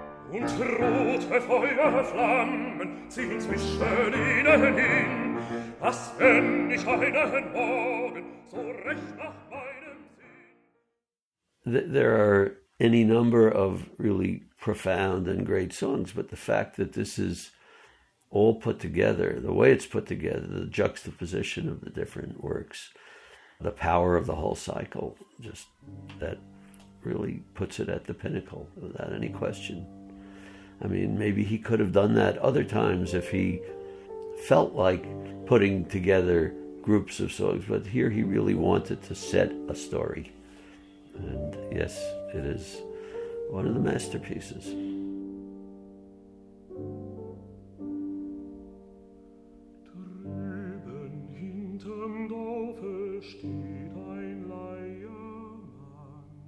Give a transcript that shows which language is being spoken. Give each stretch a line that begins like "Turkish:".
German: Und rote Feuerflammen ziehen zwischen ihnen hin, was wenn ich einen Morgen so recht nach meinem Sinn.
English: There are any number of really profound and great songs, but the fact that this is all put together, the way it's put together, the juxtaposition of the different works, the power of the whole cycle, just that really puts it at the pinnacle without any question. I mean, maybe he could have done that other times if he felt like putting together groups of songs, but here he really wanted to set a story. And yes, it is one of the masterpieces.
German: Drüben hinterm Dorfe steht ein Leiermann.